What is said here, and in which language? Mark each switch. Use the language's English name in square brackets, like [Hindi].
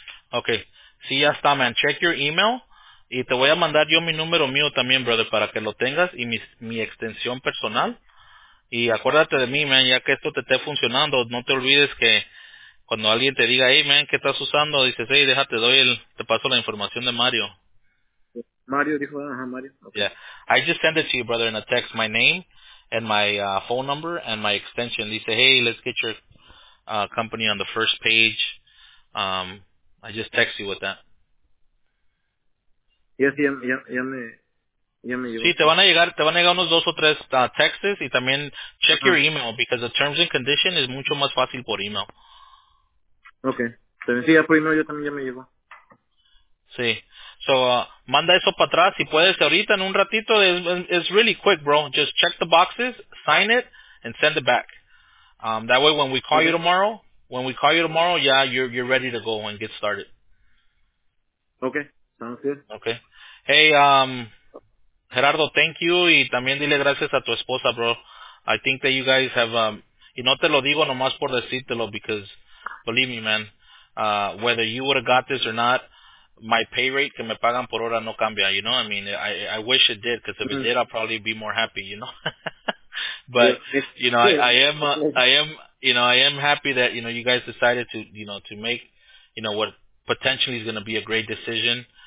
[Spanish] Ok, sí, ya está, man. [English] Check your email. [Spanish] Y te voy a mandar yo mi número mío también, brother, para que lo tengas y mi extensión personal. Y acuérdate de mí, man, ya que esto te esté funcionando, no te olvides que cuando alguien te diga, hey, man, ¿qué estás usando? Dices, hey, déjate, doy el, te paso la información de Mario. Mario dijo, ajá, Mario. Okay. [English] Yeah, I just send it to you, brother, in a text, my name and my phone number and my extension. [Spanish] Dice, [English] hey, let's get your company on the first page. I just text you with that. [Spanish] Yes, ya me sí, te van a llegar unos dos o tres texts y también [English] check your email because the terms and condition is [Spanish] mucho más fácil por email. [English] Okay. [Spanish] También sí, ya por email yo también ya me llegó. Sí. So, manda eso para atrás si puedes ahorita en un ratito. [English] It's really quick, bro. Just check the boxes, sign it, and send it back. That way when we call you tomorrow, yeah, you're ready to go and get started. Okay. Sounds good. Okay. Hey, Gerardo, thank you. [Spanish] Y también dile gracias a tu esposa, bro. [English] I think that you guys have, [Spanish] y no te lo digo nomás por decírtelo, [English] because believe me, man, whether you would have got this or not, my pay rate [Spanish] que me pagan por hora no cambia, [English] you know? I mean, I wish it did, because if it did, I'd probably be more happy, you know? But, you know, I am happy that, you know, you guys decided to, you know, to make, you know, what potentially is going to be a great decision.